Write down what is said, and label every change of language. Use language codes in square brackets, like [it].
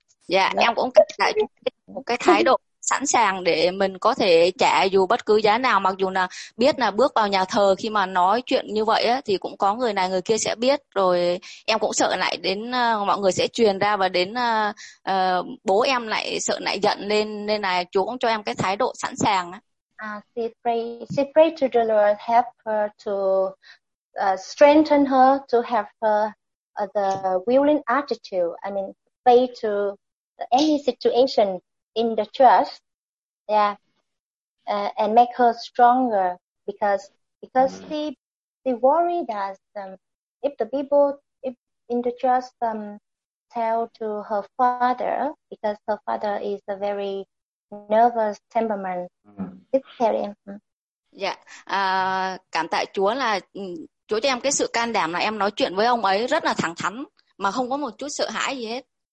[vi] Dạ, em cũng cách lại một cái thái độ sẵn sàng để mình có thể trả dù bất cứ giá nào, mặc dù là biết là bước vào nhà thờ khi mà nói chuyện như vậy ấy, thì cũng có người này người kia sẽ biết, rồi em cũng sợ lại đến mọi người sẽ truyền ra và đến bố em lại sợ lại giận lên, nên là Chúa cũng cho em cái thái độ sẵn sàng. [en] She pray to the Lord help her to strengthen her to have her the willing attitude, I mean pray to any situation in the trust, yeah, and make her stronger because she worry that if in the trust tell to her father, because her father is a very nervous temperament. Mm-hmm. Tell him. [vi] Yeah, cảm tạ Chúa là Chúa cho em cái sự can đảm là em nói chuyện với ông ấy rất là thẳng thắn mà không có một chút sợ hãi gì hết.